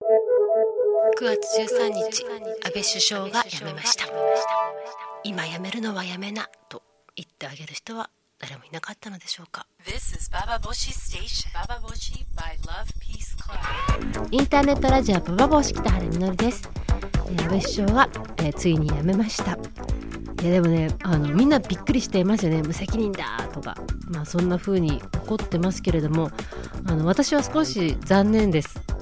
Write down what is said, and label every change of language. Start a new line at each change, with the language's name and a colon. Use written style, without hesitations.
Japanese: 9月13日安倍首相が辞めました。今辞めるのはやめなと言ってあげる人は誰もいなかったのでしょうか。
English: This is Baba Boshi Station. Baba Boshi by Love Peace Club.
Japanese: インターネットラジオババボシ北原みのりです。安倍首相は、ついに辞めました。いやでもね、みんなびっくりしていますよね。無責任だとか、まあ、そんな風に怒ってますけれども、私は少し残念です。